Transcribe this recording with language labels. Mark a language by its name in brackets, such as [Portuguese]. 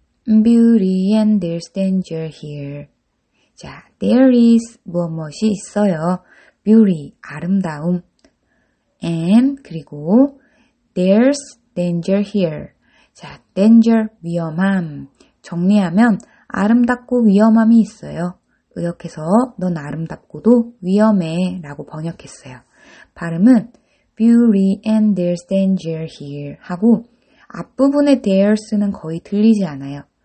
[English] Beauty and there's danger here. [Korean] 자, there is 무엇이 있어요? Beauty, 아름다움. [English] And 그리고 there's danger here. [Korean] 자, danger, 위험함. 정리하면 아름답고 위험함이 있어요. 의역해서 넌 아름답고도 위험해 라고 번역했어요. 발음은 [English] Beauty and there's danger here [Korean] 하고 앞부분에 there's는 거의 들리지 않아요.